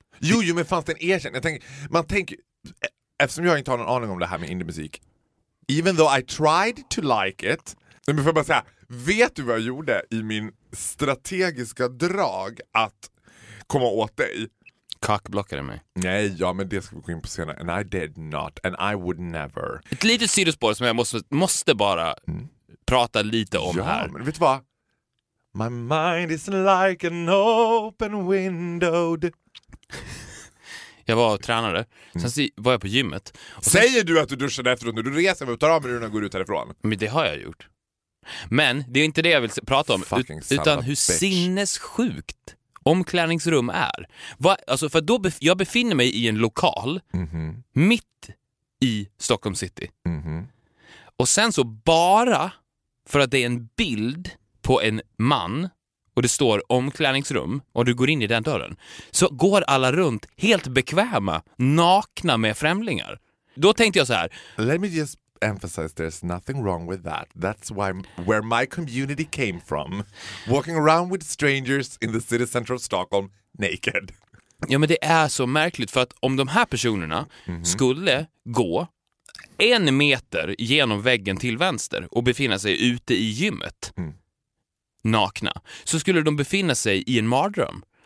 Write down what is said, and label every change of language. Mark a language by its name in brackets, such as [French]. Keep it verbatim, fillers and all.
[Swedish] Jo, jo, men fanns det en erkänd? Jag tänker, man tänker, e- eftersom jag inte har någon aning om det här med indiemusik, [English] even though I tried to like it, [Swedish] men får jag bara säga, vet du vad jag gjorde i min strategiska drag att komma åt dig? Kackblockade mig. Nej, ja, men det ska vi gå in på senare. [English] And I did not, and I would never. [Swedish] Ett litet sidospår som jag måste, måste bara prata lite om ja, här. men vet du vad? [English] My mind is like an open window. [Swedish] Jag var och tränade. Sen så var jag på gymmet. Och sen, Säger du att du duschade efteråt när du reser och tar av mig och går ut härifrån? men det har jag gjort. Men det är inte det jag vill se- prata om. [English] Fucking [Swedish] ut- [English] son of a [Swedish] utan hur [English] bitch. [Swedish] sinnessjukt omklädningsrum är. Va, alltså för då bef- jag befinner mig i en lokal mitt i Stockholm city. Och sen så bara för att det är en bild på en man och det står omklädningsrum och du går in i den dörren så går alla runt helt bekväma, nakna med främlingar. Då tänkte jag så här, [English] Let me just emphasize there's nothing wrong with that. That's why where my community came from. Walking around with strangers in the city center of Stockholm naked. [Swedish] ja men det är så märkligt för att om de här personerna skulle gå en meter genom väggen till vänster och befinna sig ute i gymmet nakna så skulle de befinna sig i en mardröm.